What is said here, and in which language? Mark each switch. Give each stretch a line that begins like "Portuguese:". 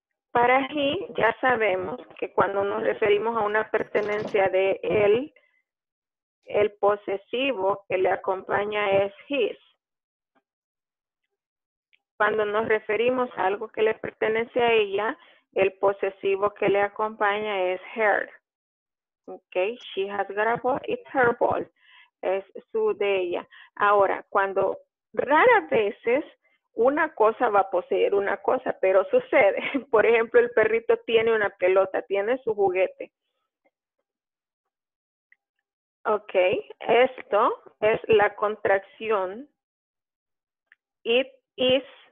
Spanish: Para he, ya sabemos que cuando nos referimos a una pertenencia de él, el posesivo que le acompaña es his. Cuando nos referimos a algo que le pertenece a ella, el posesivo que le acompaña es her.
English: Okay, she has got a ball, it's her ball.
Spanish: Es su de ella. Ahora, cuando raras veces una cosa va a poseer una cosa, pero sucede. Por ejemplo, el perrito tiene una pelota, tiene su juguete. Ok, esto es la contracción. It is.